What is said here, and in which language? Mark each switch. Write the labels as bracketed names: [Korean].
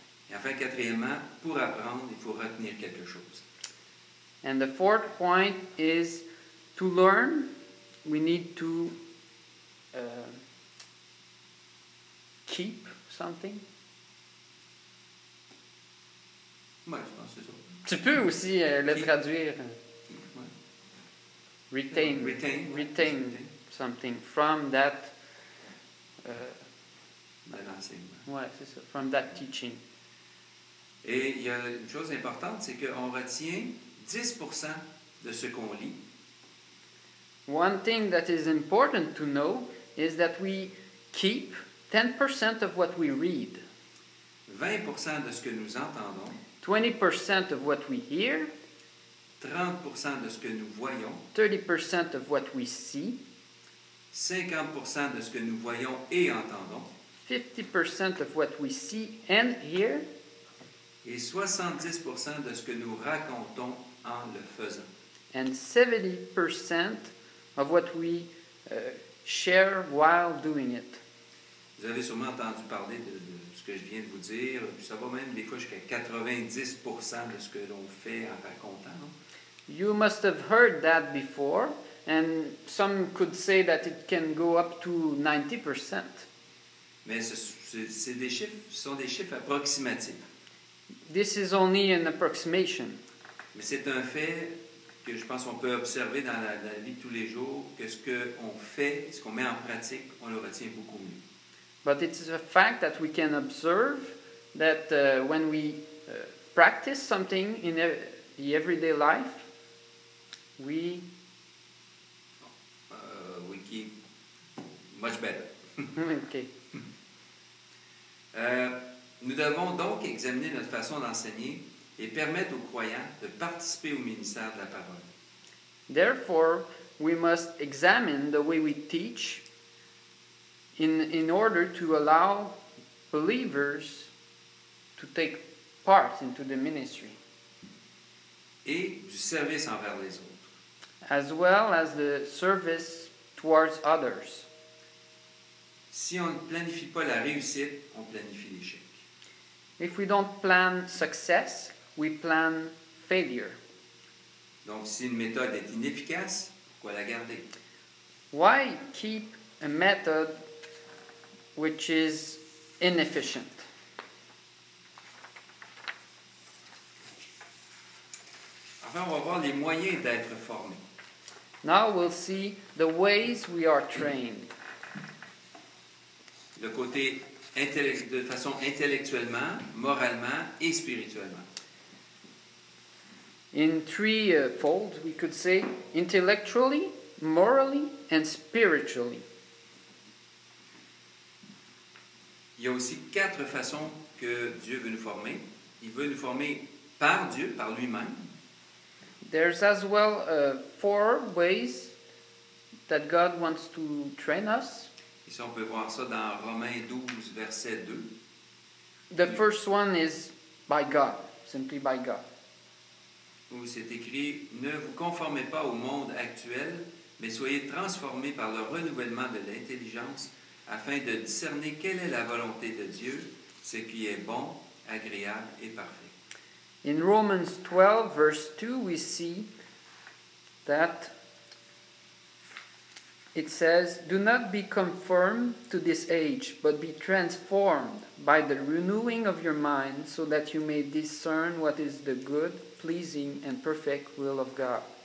[French] Et enfin, quatrièmement, pour apprendre, il faut retenir quelque chose. [English] And the fourth point is to learn, we need to keep something. [French] Oui, je pense que c'est ça. Tu peux aussi le traduire. Ouais. [English] Retain. Something from that [French] enseignement. Ouais, c'est ça, [English] from that teaching. [French] Et il y a une chose importante, c'est qu'on retient 10% de ce qu'on lit. [English] One thing that is important to know is that we keep 10% of what we read. [French] 20% de ce que nous entendons. [English] 20% of what we hear. [French] 30% de ce que nous voyons. [English] 30% of what we see. [French] 50% de ce que nous voyons et entendons. [English] 50% of what we see and hear. [French] Et 70% de ce que nous racontons en le faisant. [English] And 70% of what we share while doing it. [French] Vous avez sûrement entendu parler de ce que je viens de vous dire. Ça va même des fois jusqu'à 90% de ce que l'on fait en racontant. Non? [English] You must have heard that before. And some could say that it can go up to 90%. [French] Mais ce sont des chiffres approximatifs. [English] This is only an approximation. [French] Mais c'est un fait que je pense qu'on peut observer dans la vie de tous les jours, que ce qu'on fait, ce qu'on met en pratique, on le retient beaucoup mieux. [English] But it is a fact that we can observe that when we practice something in the everyday life, we keep much better. Okay. [French] Nous devons donc examiner notre façon d'enseigner et permettre aux croyants de participer au ministère de la parole. [English] Therefore, we must examine the way we teach in order to allow believers to take part into the ministry. [French] Et du service envers les autres. [English] As well as the service towards others. [French] Si on ne planifie pas la réussite, on planifie l'échec. [English] If we don't plan success, we plan failure. [French] Donc, si une méthode est inefficace, pourquoi la garder? [English] Why keep a method which is inefficient? [French] Enfin, on va voir les moyens d'être formé. [English] Now we'll see the ways we are trained. [French] Le côté de façon intellectuellement, moralement et spirituellement. [English] In threefold, we could say intellectually, morally and spiritually. [French] Il y a aussi quatre façons que Dieu veut nous former. Il veut nous former par Dieu, par lui-même. [English] There's as well four ways that God wants to train us. [French] Et ça, on peut voir ça dans Romains 12, verset 2. [English] The first one is by God, simply by God. [French] Où c'est écrit, ne vous conformez pas au monde actuel, mais soyez transformés par le renouvellement de l'intelligence afin de discerner quelle est la volonté de Dieu, ce qui est bon, agréable et parfait. [English] In Romans 12, verse 2, we see that it says, "Do not be conformed to this age, but be transformed by the renewing of your mind, so that you may discern what is the good, pleasing and perfect will of God."